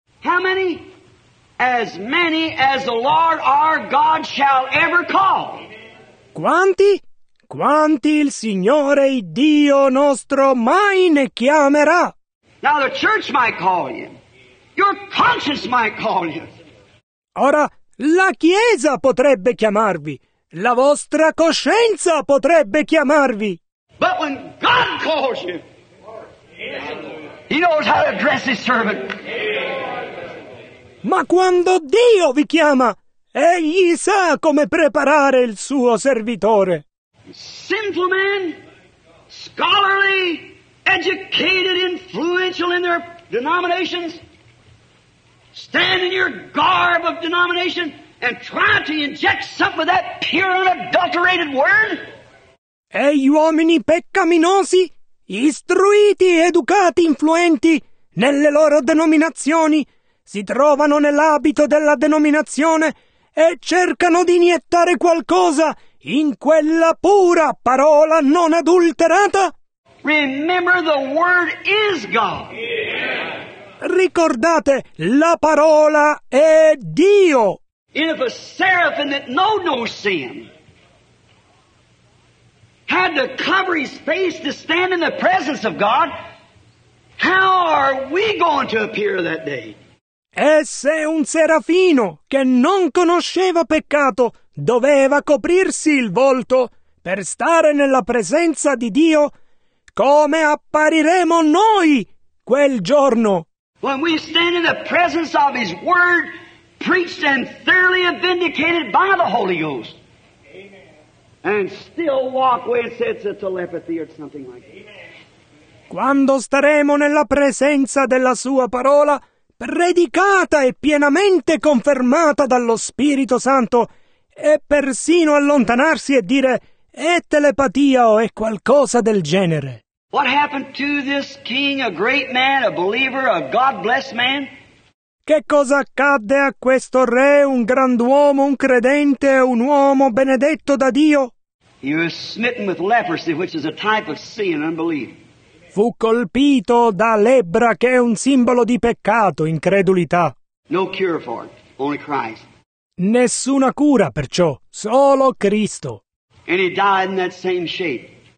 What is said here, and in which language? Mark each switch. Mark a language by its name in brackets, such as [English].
[English] How many? As many as the Lord our God shall ever call. [Italian] Quanti? Quanti il Signore Dio nostro mai ne chiamerà? [English] Now the church might call you. Your conscience might call you. [Italian] Ora, la Chiesa potrebbe chiamarvi. La vostra coscienza potrebbe chiamarvi. [English] But when God calls you, He knows how to address His servant. [Italian] Ma quando Dio vi chiama, Egli sa come preparare il suo servitore. [English] Sinful men, scholarly, educated, influential in their denominations, stand in your garb of denomination and try to inject something of that pure and adulterated word? [Italian] E gli uomini peccaminosi, istruiti, educati, influenti nelle loro denominazioni, si trovano nell'abito della denominazione e cercano di iniettare qualcosa in quella pura parola non adulterata? [English] Remember, the word is God. [Italian] Ricordate, la parola è Dio. [English] And if a seraphim that know no sin had to cover his face to stand in the presence of God, how are we going to appear that day? [Italian] E se un serafino che non conosceva peccato doveva coprirsi il volto per stare nella presenza di Dio, come appariremo noi quel giorno? [English] When we stand in the presence of His Word, preached and thoroughly vindicated by the Holy Ghost. Amen. And still walk away and say it's a telepathy or something like that. [Italian] Quando staremo nella presenza della Sua parola, predicata e pienamente confermata dallo Spirito Santo, e persino allontanarsi e dire è telepatia o è qualcosa del genere. [English] What happened to this king, a great man, a believer, a God-blessed man? [Italian] Che cosa accadde a questo re, un grand'uomo, un credente, un uomo benedetto da Dio? [English] He was smitten with leprosy, which is a type of sin, unbelief. [Italian] Fu colpito da lebbra, che è un simbolo di peccato, incredulità. [English] No cure for it, only Christ. [Italian] Nessuna cura, perciò, solo Cristo. [English] And he died in that same shape.